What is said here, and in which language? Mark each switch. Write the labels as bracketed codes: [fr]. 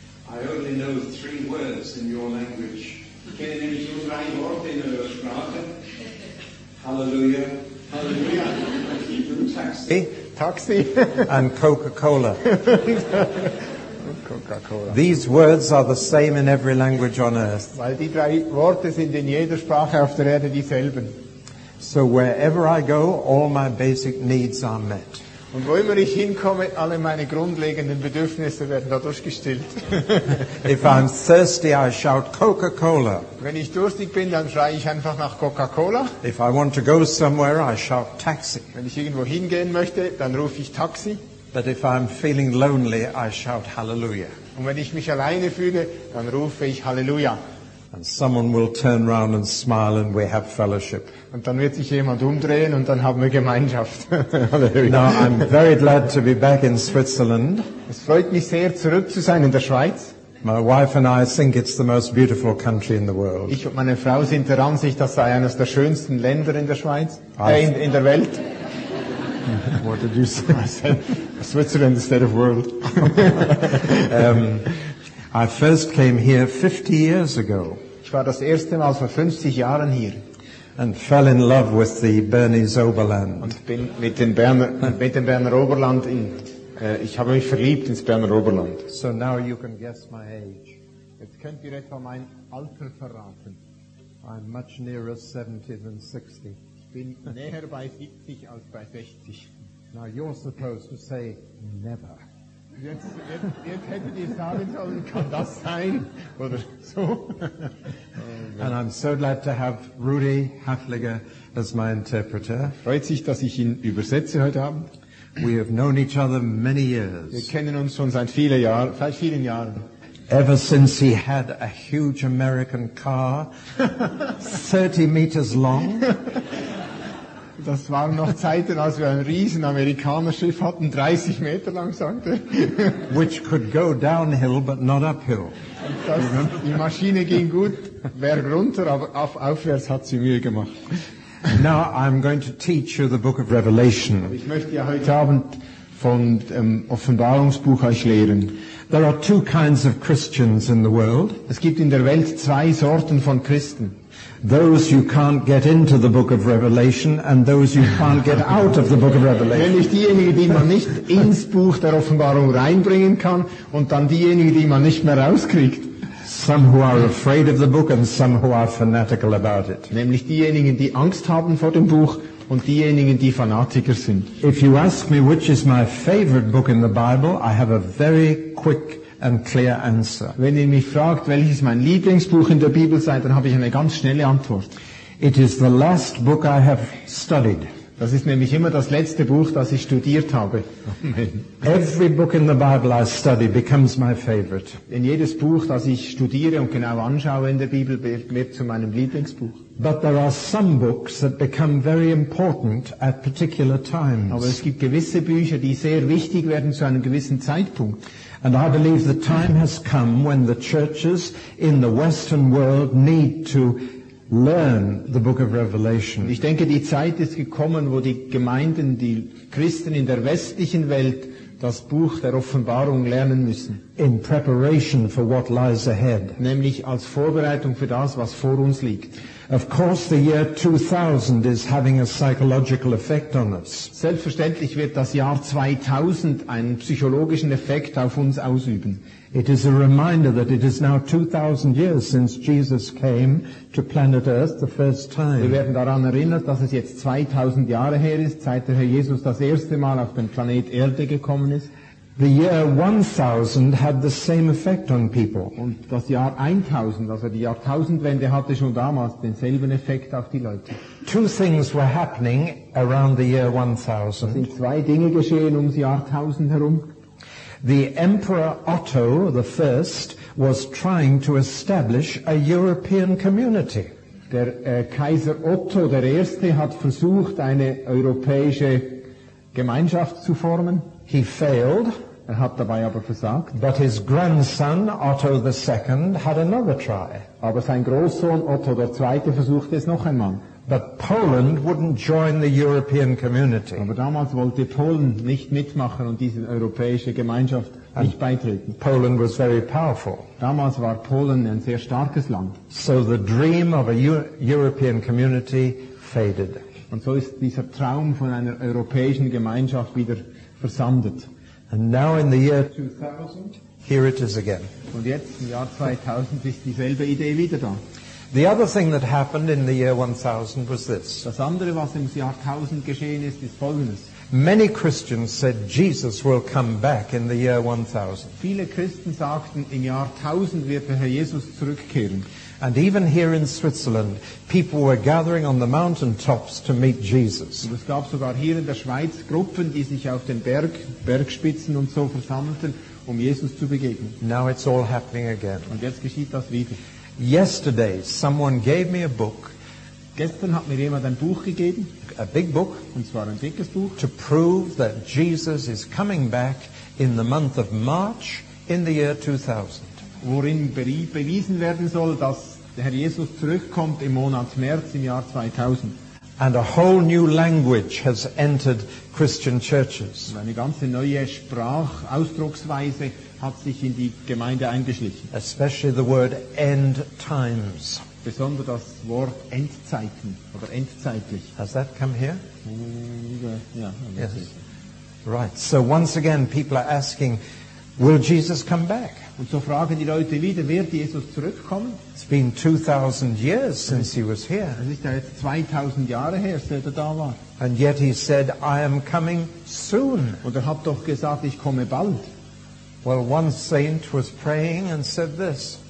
[en] I only know three words in your language. [de] Ich kenne nämlich nur drei Worte in eurer Sprache. Halleluja. Halleluja. Taxi. Taxi. [en] And Coca-Cola. [de] Coca-Cola. [en] These words are the same in every language on earth. [de] Weil die drei Worte sind in jeder Sprache auf der Erde dieselben. [en] So wherever I go, all my basic needs are met. [de] Und wo immer ich hinkomme, alle meine grundlegenden Bedürfnisse werden dadurch gestillt. [en] If I'm thirsty, I shout Coca-Cola. [de] Wenn ich durstig bin, dann schreie ich einfach nach Coca-Cola. [en] If I want to go somewhere, I shout Taxi. [de] Wenn ich irgendwo hingehen möchte, dann rufe ich Taxi. [en] But if I'm feeling lonely, I shout Hallelujah. [de] Und wenn ich mich alleine fühle, dann rufe ich Hallelujah. [en] And someone will turn round and smile and we have fellowship. [de] Und dann wird sich jemand umdrehen und dann haben wir Gemeinschaft. [en] Now I'm very glad to be back in Switzerland. [de] Es freut mich sehr, zurück zu sein in der Schweiz. [en] My wife and I think it's the most beautiful country in the world. [de] Ich und meine Frau sind der Ansicht, das sei eines der schönsten Länder in der Schweiz, in der Welt. [en] What did you say? I said Switzerland instead of world. I first came here 50 years ago. [de] Ich war das erste Mal vor 50 Jahren hier. [en] And fell in love with the Bernese Oberland. [de] Und bin mit dem Berner Oberland in. Ich habe mich verliebt ins Berner Oberland. [en] So now you can guess my age. [de] Jetzt könnt ihr etwa mein Alter verraten. [en] I'm much nearer 70 than 60. [de] Ich bin näher bei 70 als bei 60. [en] Now you're supposed to say never. [de] Jetzt hättet ihr sagen sollen, kann das sein? Oder so. [en] And I'm so glad to have Rudy Hatliger as my interpreter. [de] Freut sich, dass ich ihn übersetze heute Abend. [en] We have known each other many years. [de] Wir kennen uns schon seit vielen Jahren. [en] Ever since he had a huge American car, 30 meters long. [de] Das waren noch Zeiten, als wir ein riesen Amerikanerschiff hatten, 30 Meter lang, sagte. [en] Which could go downhill, but not uphill. [de] Das, die Maschine ging gut, berg runter, aber aufwärts hat sie Mühe gemacht. [en] Now I'm going to teach you the book of Revelation. [de] Ich möchte ja heute Abend von Offenbarungsbuch euch lehren. [en] There are two kinds of Christians in the world. [de] Es gibt in der Welt zwei Sorten von Christen. [en] Those you can't get into the book of Revelation and those you can't get out of the book of Revelation. [de] Nämlich diejenigen, die man nicht ins Buch der Offenbarung reinbringen kann und dann diejenigen, die man nicht mehr rauskriegt. [en] Some who are afraid of the book and some who are fanatical about it. [de] Nämlich diejenigen, die Angst haben vor dem Buch und diejenigen, die Fanatiker sind. [en] If you ask me which is my favorite book in the Bible, I have a very quick and clear answer. [de] Wenn ihr mich fragt, welches mein Lieblingsbuch in der Bibel sei, dann habe ich eine ganz schnelle Antwort. [en] It is the last book I have studied. [de] Das ist nämlich immer das letzte Buch, das ich studiert habe. [en] Every book in the Bible I study becomes my favorite. [de] In jedes Buch, das ich studiere und genau anschaue in der Bibel, wird zu meinem Lieblingsbuch. [en] But there are some books that become very important at particular times. [de] Aber es gibt gewisse Bücher, die sehr wichtig werden zu einem gewissen Zeitpunkt. [en] And I believe the time has come when the churches in the Western world need to learn the book of Revelation. [de] Ich denke, die Zeit ist gekommen, wo die Gemeinden, die Christen in der westlichen Welt das Buch der Offenbarung lernen müssen. [en] In preparation for what lies ahead. [de] Nämlich als Vorbereitung für das, was vor uns liegt. [en] Of course the year 2000 is having a psychological effect on us. [de] Selbstverständlich wird das Jahr 2000 einen psychologischen Effekt auf uns ausüben. [en] It is a reminder that it is now 2000 years since Jesus came to planet Earth the first time. [de] Wir werden daran erinnert, dass es jetzt 2000 Jahre her ist, seit der Herr Jesus das erste Mal auf den Planet Erde gekommen ist. [en] The year 1000 had the same effect on people. [de] Und das Jahr 1000, also die Jahrtausendwende, hatte schon damals denselben Effekt auf die Leute. [en] Two things were happening around the year 1000. [de] Es sind zwei Dinge geschehen ums Jahrtausend herum. [en] The Emperor Otto the First was trying to establish a European community. [de] Der Kaiser Otto der Erste hat versucht, eine europäische Gemeinschaft zu formen. [en] He failed. [de] Er hat dabei aber versagt. [en] But his grandson Otto II had another try. [de] Aber sein Großsohn Otto der Zweite versuchte es noch einmal. [en] But Poland wouldn't join the European community. [de] Aber damals wollte Polen nicht mitmachen und diese europäische Gemeinschaft nicht and beitreten. [en] Poland was very powerful. [de] Damals war Polen ein sehr starkes Land. [en] So the dream of a European community faded. [de] Und so ist dieser Traum von einer europäischen Gemeinschaft wieder versandet. [en] And now in the year 2000, here it is again. [de] Und jetzt im Jahr 2000 ist dieselbe Idee wieder da. [en] The other thing that happened in the year 1000 was this. [de] Das andere, was im Jahr 1000 geschehen ist folgendes. [en] Many Christians said Jesus will come back in the year 1000. [de] Viele Christen sagten, im Jahr 1000 wird der Herr Jesus zurückkehren. [en] And even here in Switzerland, people were gathering on the mountaintops to meet Jesus. [de] Und es gab sogar hier in der Schweiz Gruppen, die sich auf den Bergspitzen und so versammelten, um Jesus zu begegnen. [en] Now it's all happening again. [de] Und jetzt geschieht das wieder. [en] Yesterday, someone gave me a book. [de] Gestern hat mir jemand ein Buch gegeben. [en] A big book. [de] Und zwar ein dickes Buch. [en] To prove that Jesus is coming back in the month of March in the year 2000. [de] Worin bewiesen werden soll, dass der Herr Jesus zurückkommt im Monat März im Jahr 2000. [en] And a whole new language has entered Christian churches. [de] Und eine ganze neue Sprachausdrucksweise hat sich in die Gemeinde eingeschlichen. [en] Especially the word end times. [de] Besonders das Wort Endzeiten oder endzeitlich. [en] Has that come here? Yeah, yes. Right. So once again, people are asking, will Jesus come back? [de] Und so fragen die Leute wieder, wird Jesus zurückkommen? [en] It's been 2,000 years since he was here. [de] Es ist ja jetzt 2,000 Jahre her, seit er da war. [en] And yet he said, I am coming soon. [de] Und hat doch gesagt, ich komme bald. [en] Well, one saint was praying and said this.